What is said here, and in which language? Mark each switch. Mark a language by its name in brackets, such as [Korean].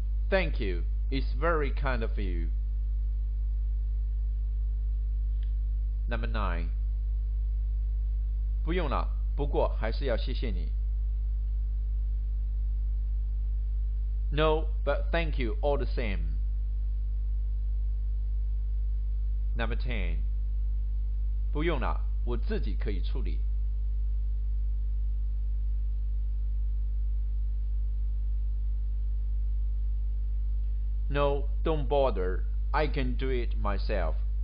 [English] Thank you. It's very kind of you. Number nine. [Chinese] 不用了，不过还是要谢谢你。 [English] No, but thank you all the same. Number ten. [Chinese] 不用了，我自己可以处理。 [English] No, don't bother. I can do it myself.